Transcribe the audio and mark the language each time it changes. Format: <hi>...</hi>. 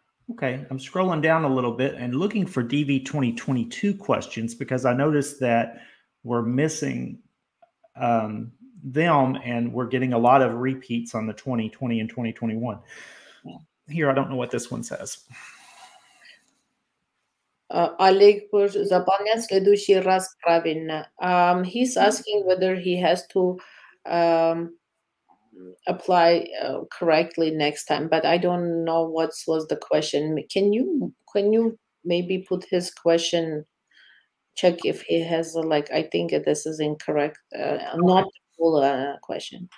<en>Okay, I'm scrolling down a little bit and looking for DV 2022 questions because I noticed that we're missing them and we're getting a lot of repeats on the 2020 and 2021. Here, I don't know what this one says.</en> <ru>Олег заполняет следующий раз правильно.</ru> <en>He's asking whether he has to apply correctly next time, but I don't know what was the question. Can you maybe put his question, check if he has I think this is incorrect, not full question.</en>